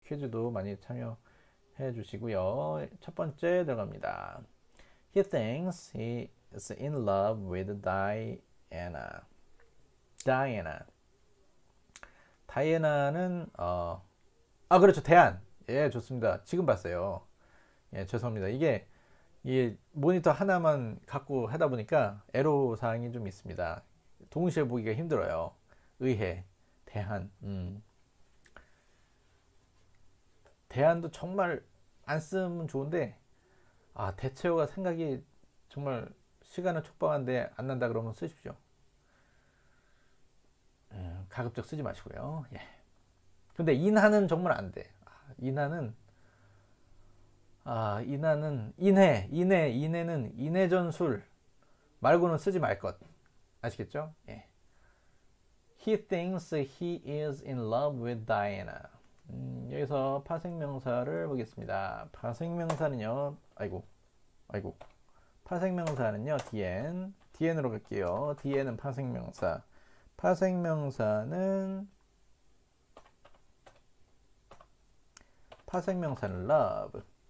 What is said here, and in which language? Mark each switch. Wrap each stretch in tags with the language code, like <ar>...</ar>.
<ko>퀴즈도 많이 참여해 주시고요. 첫 번째 들어갑니다.</ko> <en>He thinks he is in love with Diana.</en> <ko>Diana. 다이애나는 그렇죠. 대안. 예, 좋습니다. 지금 봤어요. 예, 죄송합니다. 이게 모니터 하나만 갖고 하다 보니까 애로 사항이 좀 있습니다. 동시에 보기가 힘들어요. 의해, 대한. 대안도 정말 안 쓰면 좋은데, 대체어가 생각이 정말 시간은 촉박한데 안 난다 그러면 쓰십시오. 가급적 쓰지 마시고요. 예. 근데 인하는 정말 안 돼. 인하는 인해는 인해전술 말고는 쓰지 말 것. 아시겠죠? 예.</ko> <en>He thinks he is in love with Diana.</en> <ko>여기서 파생명사를 보겠습니다. 파생명사는요, 아이고, 아이고. 파생명사는요, DN으로 갈게요. DN은 파생명사. 파생명사는 love.</ko>